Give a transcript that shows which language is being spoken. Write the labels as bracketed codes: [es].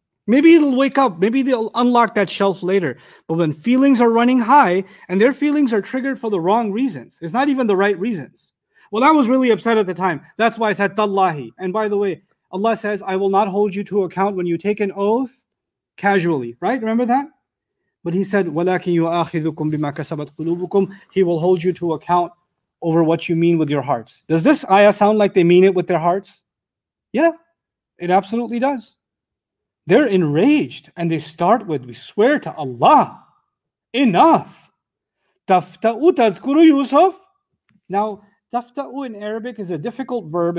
[en] Maybe it'll wake up, maybe they'll unlock that shelf later. But when feelings are running high, and their feelings are triggered for the wrong reasons, it's not even the right reasons. Well, I was really upset at the time. That's why I said, Tallahi. And by the way, Allah says, I will not hold you to account when you take an oath casually. Right? Remember that? But He said, [ar] وَلَكِنْ يُؤَخِذُكُمْ بِمَا كَسَبَتْ قُلُوبُكُمْ. [en] He will hold you to account over what you mean with your hearts. Does this ayah sound like they mean it with their hearts? Yeah, it absolutely does. They're enraged, and they start with, we swear to Allah, enough. Tafta'u tadhkuru Yusuf. Now, tafta'u in Arabic is a difficult verb.